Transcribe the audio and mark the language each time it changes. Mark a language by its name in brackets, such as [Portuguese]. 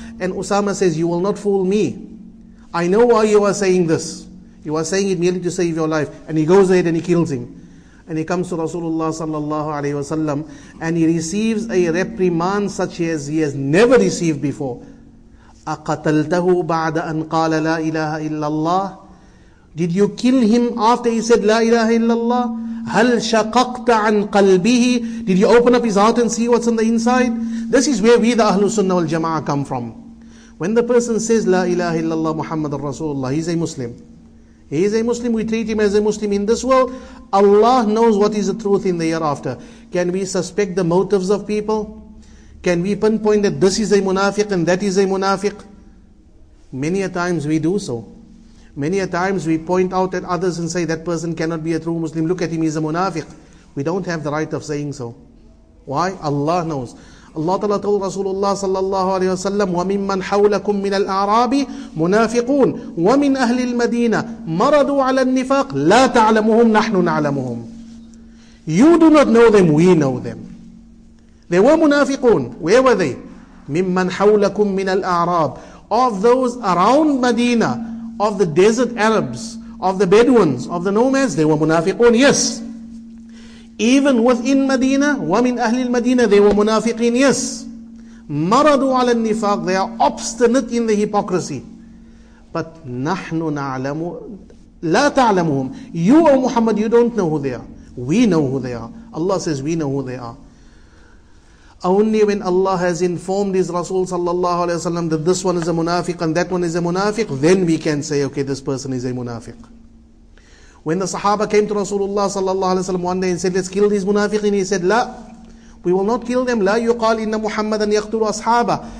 [English] And Usama says, you will not fool me. I know why you are saying this. You are saying it merely to save your life. And he goes ahead and he kills him. And he comes to Rasulullah sallallahu alayhi wa sallam, and he receives a reprimand such as he has never received before. [Arabic] أَقَتَلْتَهُ بَعْدَ أَنْ قَالَ لَا إِلَهَ إِلَّا اللَّهِ. [English] Did you kill him after he said, [Arabic] لا إله إلا الله؟ هَلْ شَقَقْتَ عَنْ قَلْبِهِ. [English] Did you open up his heart and see what's on the inside? This is where we, the Ahlus Sunnah wal Jama'ah, come from. When the person says, [Arabic] لا إله إلا الله محمد رسول الله, [English] he's a Muslim. He is a Muslim, we treat him as a Muslim in this world. Allah knows what is the truth in the hereafter. Can we suspect the motives of people? Can we pinpoint that this is a munafiq and that is a munafiq? Many a times we do so. Many a times we point out at others and say that person cannot be a true Muslim. Look at him, he's a munafiq. We don't have the right of saying so. Why? Allah knows. Allah Ta'ala told Rasulullah sallallahu alayhi wa sallam, [Arabic] وَمِمَّنْ حَوْلَكُمْ مِنَ الْأَعْرَابِ مُنَافِقُونَ وَمِنْ أَهْلِ الْمَدِينَةِ مَرَدُوا عَلَى النِّفَاقِ لَا تَعْلَمُهُمْ نَحْنُ نَعْلَمُهُمْ. [English] You do not know them, we know them. They were munafiqun. Where were they? [Arabic] مِمَّنْ حَوْلَكُمْ مِنَ الْأَعْرَابِ. [English] Of those around Medina, of the desert Arabs, of the Bedouins, of the nomads, they were munafiqun, yes. Even within Medina, [Arabic] وَمِنْ أَهْلِ الْمَدِينَةِ, [English] they were munafiqin, yes. [Arabic] مَرَضُوا عَلَى النِّفَاقِ, [English] they are obstinate in the hypocrisy. [Arabic] But نَحْنُ نَعْلَمُ لَا تَعْلَمُهُمْ. [English] You, O Muhammad, you don't know who they are. We know who they are. Allah says, we know who they are. Only when Allah has informed His Rasul sallallahu alayhi wa sallam that this one is a munafiq and that one is a munafiq, then we can say, okay, this person is a munafiq. When the Sahaba came to Rasulullah sallallahu alaihi wasallam one day and said, let's kill these munafiqin, he said, la, we will not kill them. [Arabic] La yuqal inna Muhammadan yaqtulu ashaba.